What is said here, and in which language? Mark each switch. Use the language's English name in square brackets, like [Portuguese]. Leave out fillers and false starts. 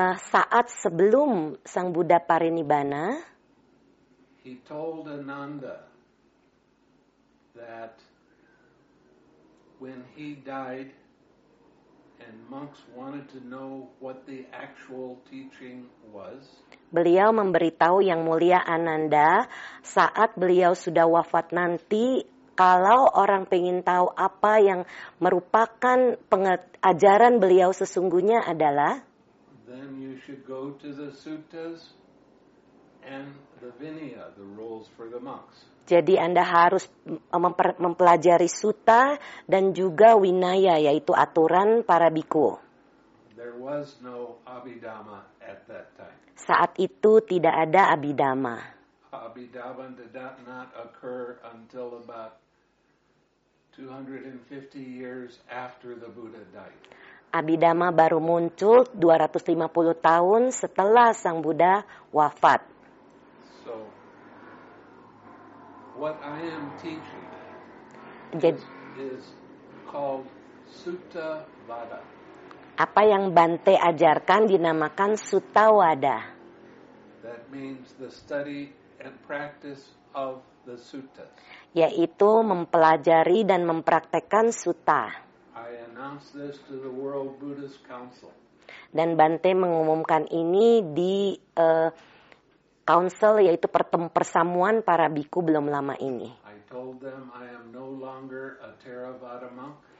[Indonesian] Saat sebelum Sang Buddha Parinibbana, [English] he told Ananda that when he died and monks wanted to know what the actual teaching was, [Indonesian] beliau memberitahu Yang Mulia Ananda, saat beliau sudah wafat nanti, kalau orang pengin tahu apa yang merupakan ajaran beliau sesungguhnya adalah, [English] then you should go to the suttas and the vinaya, the rules for the monks. [Indonesian] Jadi Anda harus mempelajari sutta dan juga winaya, yaitu aturan para biku. [English] There was no Abhidhamma at that time. [Indonesian] Saat itu tidak ada Abhidhamma. [English] Abhidhamma did not occur until about 250 years after the Buddha died. [Indonesian] Abhidhamma baru muncul 250 tahun setelah Sang Buddha wafat. [English] So, what I am teaching is called Sutta Vada. [Indonesian] Apa yang Bante ajarkan dinamakan Sutta Vada. [English] That means the study and practice of the suttas. [Indonesian] Yaitu mempelajari dan mempraktekkan sutta. [English] I announce this to the World Buddhist Council. [Indonesian] Dan Bante mengumumkan ini di Council, yaitu persamuan para biku belum lama ini. [English] I told them I am no longer a Theravada monk.